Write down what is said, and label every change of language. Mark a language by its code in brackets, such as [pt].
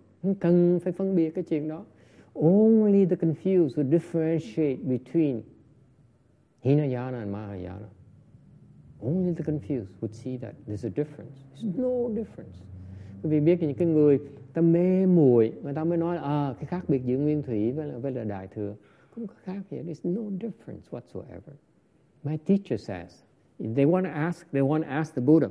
[vi] Không cần phải phân biệt cái chuyện đó. [en] Only the confused will differentiate between Hinayana and Mahayana. Only the confused would see that there's a difference. There's no difference. [vi] Vì biết những cái người ta mê muội, người ta mới nói là cái khác biệt giữa nguyên thủy với là đại thừa không có khác gì. [en] There's no difference whatsoever. My teacher says, they want to ask the Buddha.